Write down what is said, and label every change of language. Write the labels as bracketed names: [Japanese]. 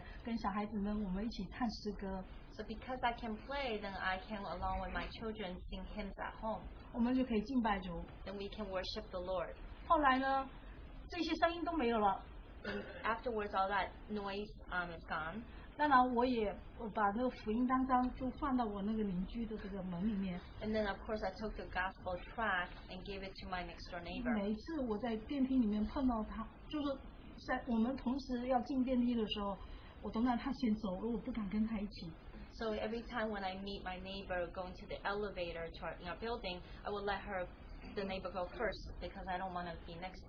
[Chinese] 因为我可以弹了嘛，那我就可以在家里面跟小孩子们我们一起唱诗歌。So [English] because I can play, then I can along with my children sing hymns at home. [Chinese] 我们就可以敬拜主。 [English] Then we can worship the Lord. [Chinese] 后来呢，这些声音都没有了。 [English] Afterwards, all that noise is gone. [Chinese] 当然，我把那个福音当中就放到我那个邻居的这个门里面。And [English] then, of course, I took the gospel track and gave it to my next door neighbor. [Chinese] 每一次我在电梯里面碰到他，就是在我们同时要进电梯的时候，我都让他先走，我不敢跟他一起。 [English] So every time when I meet my neighbor going to the elevator to our, in our building, I will let her, the neighbor, go first because I don't want to be next.